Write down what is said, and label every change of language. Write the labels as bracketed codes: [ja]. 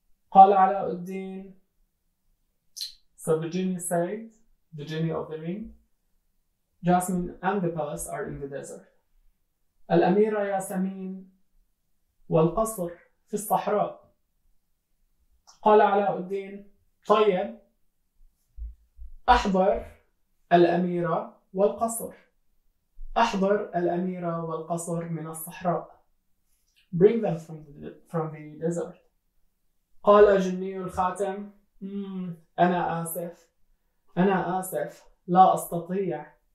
[ar] قال علاء الدين: [en] So Virginia said, Virginia of the ring, Jasmine and the palace are in the desert. [ar] الأميرة ياسمين والقصر في الصحراء. قال علاء الدين: طيب، أحضر الأميرة والقصر. أحضر الأميرة والقصر من الصحراء. [en] Bring them from the desert. [ar] قال جني الخاتم: أنا آسف، لا أستطيع.